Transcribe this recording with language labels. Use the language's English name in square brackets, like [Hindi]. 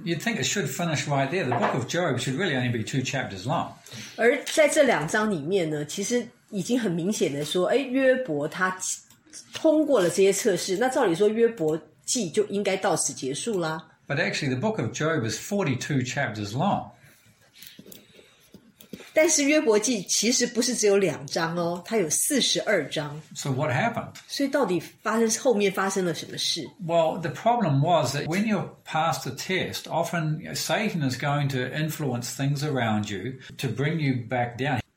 [English] you think it should finish right there? The book of Job should really only be 2 chapters long. [Chinese] 而在这两章里面呢，其实已经很明显的说，约伯他通过了这些测试，那照理说约伯记就应该到此结束啦。 [English] But actually, the book of Job is 42 chapters long. [Chinese] 但是约伯记其实不是只有两章哦，它有42章。 [English] So what happened? [Chinese] 所以到底后面发生了什么事？ [English] Well, the problem was that when you pass the test, often Satan is going to influence things around you to bring you back down.